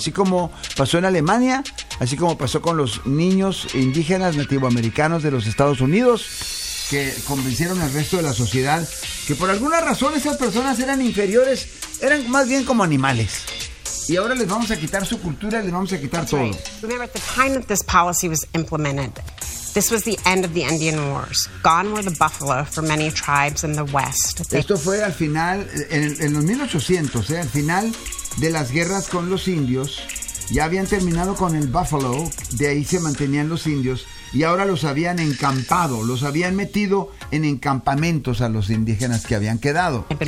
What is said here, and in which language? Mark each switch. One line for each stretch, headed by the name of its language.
Spanish: Así como pasó en Alemania, así como pasó con los niños indígenas nativoamericanos de los Estados Unidos, que convencieron al resto de la sociedad que por alguna razón esas personas eran inferiores, eran más bien como animales. Y ahora les vamos a quitar su cultura, les vamos a quitar todo.
English: Remember, at the time that this policy was implemented, this was the end of the Indian Wars. Gone were the buffalo for many tribes in the West.
Spanish: Esto fue al final, en los 1800, al final de las guerras con los indios. Ya habían terminado con el buffalo, de ahí se mantenían los indios, y ahora los habían encampado, los habían metido en encampamentos a los indígenas que habían quedado.